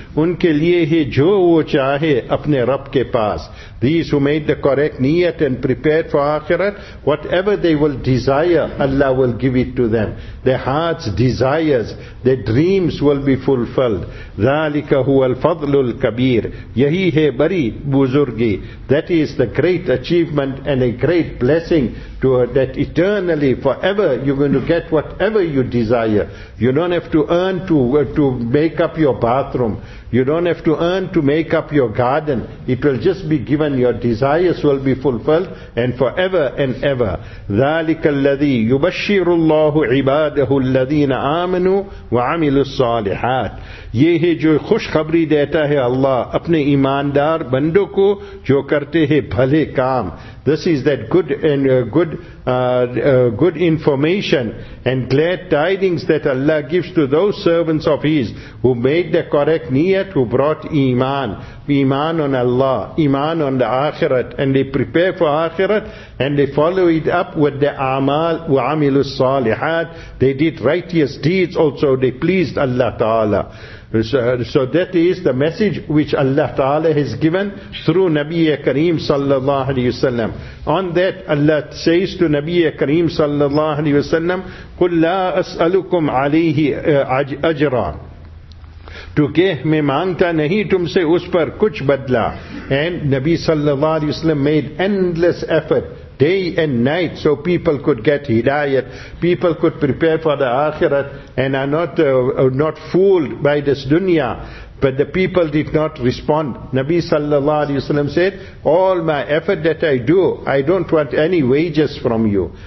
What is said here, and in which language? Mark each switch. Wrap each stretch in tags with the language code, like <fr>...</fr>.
<ur>ان کے لیے ہے جو وہ چاہے اپنے رب کے پاس.</ur> <en>These who made the correct niyat and prepared for akhirat, whatever they will desire, Allah will give it to them. Their heart's desires, their dreams will be fulfilled.</en> <ar>ذَلِكَ هُوَ الْفَضْلُ الْكَبِيرِ.</ar> <ur>یہی ہے بری بزرگی.</ur> <en>That is the great achievement and a great blessing to that eternally, forever, you're going to get whatever you desire. You don't have to earn to make make up your bathroom. You don't have to earn to make up your garden. It will just be given. Your desires will be fulfilled and forever and ever.</en> <ar>ذَلِكَ الَّذِي يُبَشِّرُ اللَّهُ عِبَادَهُ الَّذِينَ آمَنُوا وَعَمِلُوا الصَّالِحَاتِ.</ar> <ur>یہ ہے جو خوش خبری دیتا ہے اللہ اپنے ایماندار بندوں کو جو کرتے ہیں بھلے کام.</ur> <en>This is that good information and glad tidings that Allah gives to those servants of His who made the correct niyat, who brought iman, iman on Allah, iman on the akhirat, and they prepare for akhirat and they follow it up with the amal,</en> <ar>wa'amilu salihat.</ar> <en>They did righteous deeds also, they pleased Allah Ta'ala. So that is the message which Allah Ta'ala has given through Nabiya Kareem sallallahu alayhi wa sallam. On that Allah says to Nabiya Kareem sallallahu alayhi wa sallam,</en> <ar>قُلْ لَا أَسْأَلُكُمْ عَلَيْهِ أَجْرًا.</ar> <ur>To keh, میں مانگتا نہیں تم سے اس پر کچھ بدلا.</ur> <en>And Nabi sallallahu alayhi wa sallam made endless effort day and night so people could get hidayat, people could prepare for the akhirat and are not fooled by this dunya. But the people did not respond. Nabi sallallahu alayhi wa sallam said, all my effort that I do, I don't want any wages from you.</en>